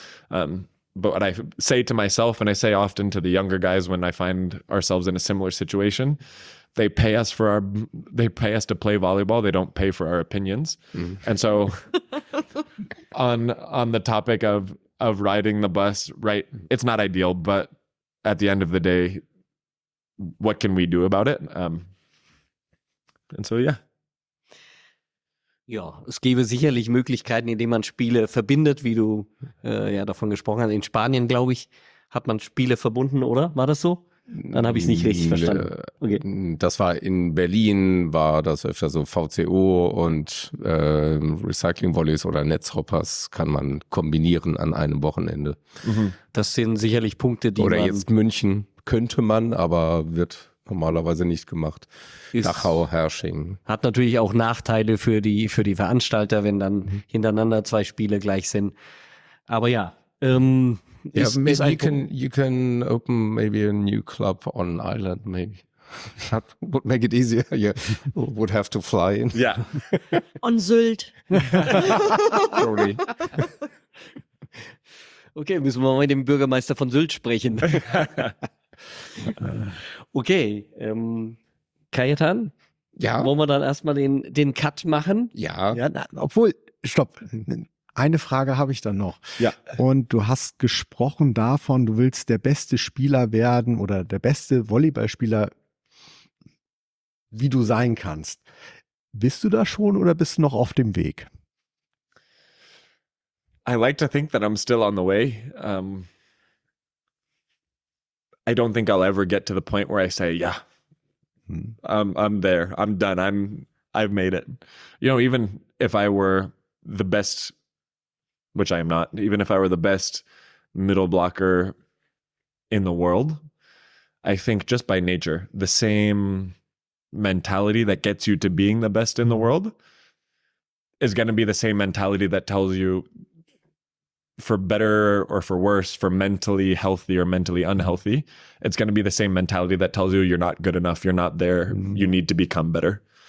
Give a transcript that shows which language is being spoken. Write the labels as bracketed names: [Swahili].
[English] But what I say to myself, and I say often to the younger guys when I find ourselves in a similar situation, they pay us to play volleyball. They don't pay for our opinions. And so on the topic of riding the bus, right, it's not ideal, but at the end of the day, what can we do about it? And so, yeah. [German] Ja, es gäbe sicherlich Möglichkeiten, indem man Spiele verbindet, wie du ja davon gesprochen hast. In Spanien, glaube ich, hat man Spiele verbunden, oder? War das so? Dann habe ich es nicht richtig verstanden. Okay. Das war in Berlin, war das öfter so VCO und Recycling-Volleys oder Netzhoppers kann man kombinieren an einem Wochenende. Das sind sicherlich Punkte, die Oder jetzt München könnte man, aber wird normalerweise nicht gemacht. Dachau, Herrsching. Hat natürlich auch Nachteile für die Veranstalter, wenn dann hintereinander zwei Spiele gleich sind. Aber ja. [English] You can open maybe a new club on island, maybe. That would make it easier. You would have to fly in. Yeah. On Sylt. Probably. [German] Okay, müssen wir mal mit dem Bürgermeister von Sylt sprechen. Okay, Kajetan, ja? Wollen wir dann erstmal den Cut machen? Ja. Obwohl, stopp. eine Frage habe ich dann noch. Ja. Und du hast gesprochen davon, du willst der beste Spieler werden oder der beste Volleyballspieler, wie du sein kannst. Bist du da schon oder bist du noch auf dem Weg? [English] I like to think that I'm still on the way. I don't think I'll ever get to the point where I say, yeah, I'm there. I'm done. I've made it. You know, even if I were the best, which I am not, even if I were the best middle blocker in the world, I think just by nature, the same mentality that gets you to being the best in the world is going to be the same mentality that tells you, for better or for worse, for mentally healthy or mentally unhealthy, it's going to be the same mentality that tells you you're not good enough, you're not there, you need to become better.